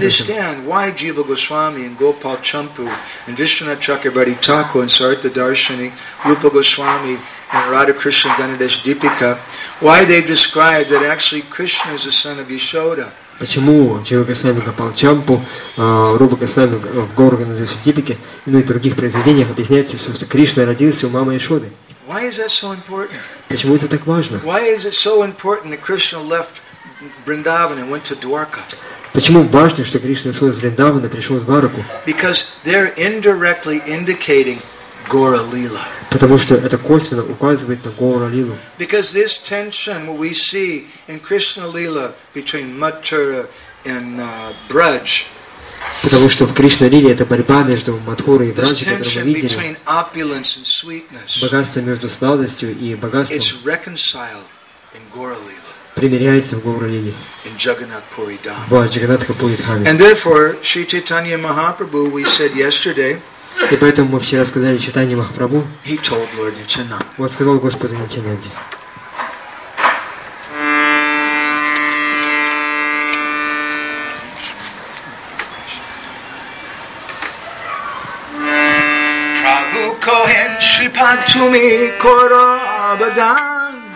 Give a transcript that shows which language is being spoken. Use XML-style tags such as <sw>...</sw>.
<en>Try to understand why Jiva Goswami and Gopal Champu and Vishwanath Chakravarti Thakur and Saritha Darshini, Rupa Goswami and Radha Krishna Ganadesh Deepika, why they describe that actually Krishna is the son of Yashoda.</en> <ru>Почему Джива Госвами, Гопал Чампу, Рупа Госвами в Гору Ганадеш Дипике, ну и других произведениях объясняется, что Кришна родился у мамы Яшоды.</ru> <en>Why is that so important?</en> <ru>Почему это так важно?</ru> <en>Why is it so important that Krishna left Vrindavan and went to Dwarka?</en> <ru>Почему важно, что Кришна ушел из Вриндавана и пришел в Двараку?</ru> <en>Because they're indirectly indicating Gaura Lila.</en> <ru>Потому что это косвенно указывает на Гаура Лилу.</ru> <en>Because this tension we see in Krishna Lila between Mathura and Braj.</en> <ru>Потому что в Кришна Лиле это борьба между Мадхурой и Враджей, которую мы видели.</ru> <en>This tension between opulence and sweetness.</en> <ru>Богатство между сладостью и богатством.</ru> <en>It's reconciled in Gaura Lila.</en> <ru>Примиряется в Гауралиле.</ru> <en>In Jagannath Puri Dham.</en> <ru>В Джаганатха Пури Дхаме.</ru> <en>And therefore, Sri Chaitanya Mahaprabhu, we said yesterday.</en> <ru>И поэтому мы вчера сказали Чайтанья Махапрабху.</ru> <en>He told Lord Nityananda.</en> <ru>Он сказал Господу Нитянанде.</ru> <bn>Prabhu Kohen Shri Pantumi Koro Abadan.</bn>